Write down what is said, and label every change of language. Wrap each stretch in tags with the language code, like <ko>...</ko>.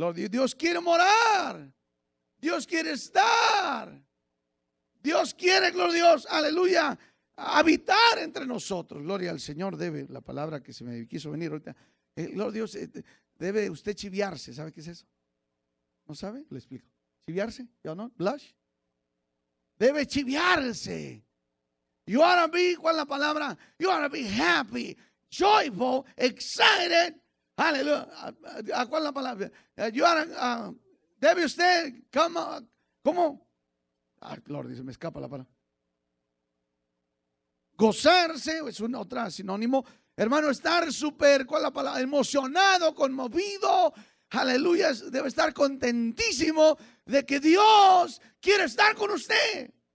<es>Dios quiere morar, Dios quiere estar, Dios quiere, gloria a Dios, aleluya, habitar entre nosotros. Gloria al Señor, debe, la palabra que se me quiso venir ahorita. Gloria a Dios, debe usted chiviarse, ¿sabe qué es eso? ¿No sabe? Le explico. ¿Chiviarse? ¿Ya no? ¿Blush? Debe chiviarse.</es> <en>You ought to be,</en> <es>¿cuál es la palabra?</es> <en>You ought to be happy, joyful, excited.</en> <es>Aleluya. ¿Cuál es la palabra?</es> <en>You ought to,</en> <es>debe usted,</es> <en>come, ¿cómo?</en> <es>Ah, Lord, se me escapa la palabra. Gozarse, es un otro sinónimo. Hermano, estar súper, ¿cuál es la palabra? Emocionado, conmovido. Aleluya. Debe estar contentísimo de que Dios quiere estar con usted.</es>